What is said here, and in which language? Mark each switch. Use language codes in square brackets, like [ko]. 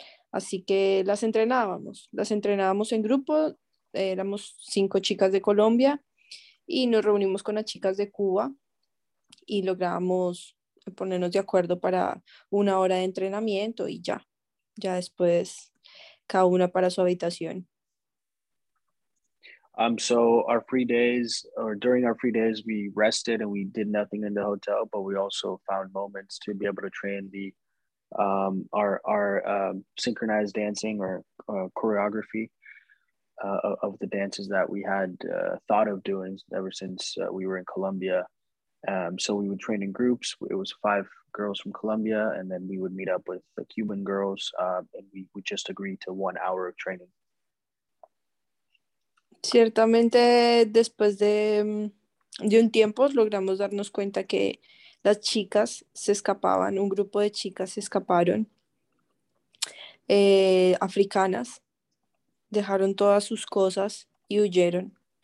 [es] Así que las entrenábamos en grupo, éramos cinco chicas de Colombia y nos reunimos con las chicas de Cuba. Y logramos ponernos de acuerdo para una hora de entrenamiento y ya, ya después cada una para su habitación. [en] So our free days, or during our free days, we rested and we did nothing in the hotel, but we also found moments to be able to train the our synchronized dancing or choreography of the dances that we had thought of doing ever since we were in Colombia. So we would train in groups. It was five girls from Colombia, and then we would meet up with the Cuban girls, and we would just agree to 1 hour of training. [es] Ciertamente, después de un tiempo logramos darnos cuenta que las chicas se escapaban, un grupo de chicas se escaparon, africanas, dejaron todas sus cosas y huyeron.